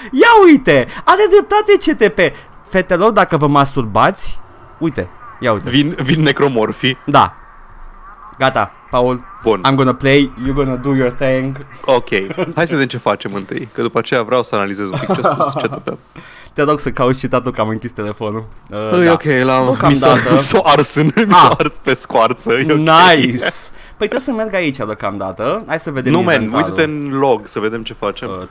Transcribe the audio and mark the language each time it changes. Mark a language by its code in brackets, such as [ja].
[ro] Ia uite, are dreptate CTP. Fetelor, dacă vă masturbați, uite, ia uite. Vin necromorfii. Da. Gata, Paul, bun. [en] I'm gonna play, you're gonna do your thing. [ro] Ok, hai să vedem ce facem întâi, că după aceea vreau să analizez un pic ce-a spus ce tupeam. Te rog să cauți citatul că am închis telefonul. Păi da. Ok, l-am s-o ars pe scoarță. [en] Okay. Nice! [ro] Păi trebuie să merg aici deocamdată. Hai să vedem inventarul. Nu, man, uite-te în log să vedem ce facem.